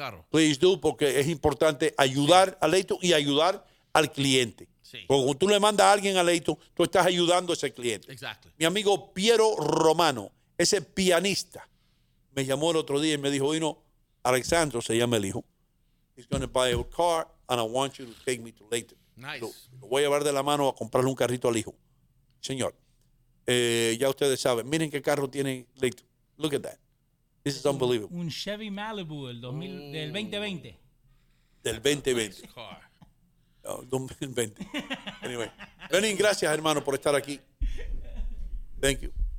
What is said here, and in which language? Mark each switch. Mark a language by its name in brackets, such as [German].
[Spanish] Please do, porque es importante ayudar a Leighton y ayudar al cliente. Sí. Porque cuando tú le mandas a alguien a Leighton, tú estás ayudando a ese cliente. Exacto. Mi amigo Piero Romano, ese pianista, me llamó el otro día y me dijo, vino Alexandro, se llama el hijo. [English] He's going to buy a car and I want you to take me to Leighton. Nice. [Spanish] Lo voy a llevar de la mano a comprarle un carrito al hijo. Señor, ya ustedes saben, miren qué carro tiene Leighton. [English] Look at that. This is unbelievable. [Spanish] Un Chevy Malibu del 2020. Del 2020. [English] Nice car. [Spanish] 2020. Anyway. Lenín, gracias, hermano, por estar aquí. Thank you.